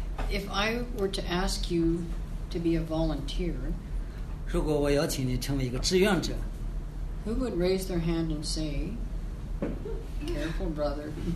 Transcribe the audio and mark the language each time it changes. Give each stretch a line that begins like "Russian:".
English: If I were to ask you to be a volunteer,
Chinese: 如果我邀请你成为一个志愿者,
English: who would raise their hand and say, "Careful, brother"?